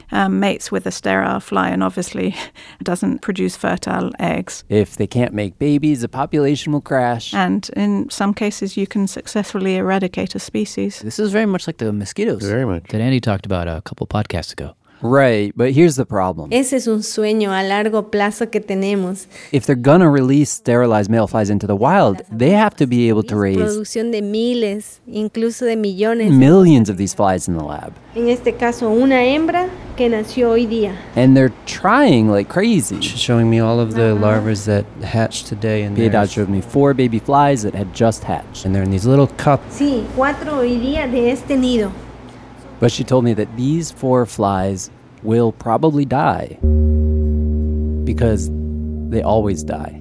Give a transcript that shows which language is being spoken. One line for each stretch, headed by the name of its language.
English: mates with a sterile fly and obviously doesn't produce fertile eggs. If they can't make babies, the population will crash. And in some cases, you can successfully eradicate a species. This is very much like the mosquitoes. Very much. That Andy talked about a couple podcasts ago. Right, but here's the problem.
Spanish: Ese es un sueño a largo plazo que tenemos.
English: If they're going to release sterilized male flies into the wild, they have to be able to raise
Spanish: producción de miles, incluso de millones.
English: Millions of these flies in the lab.
Spanish: En este caso, una hembra que nació hoy día.
English: And they're trying like crazy. She's showing me all of the larvae that hatched today. Piedad showed me four baby flies that had just hatched. And they're in these little cups.
Spanish: Sí, cuatro hoy día de este nido.
English: But she told me that these four flies will probably die because they always die.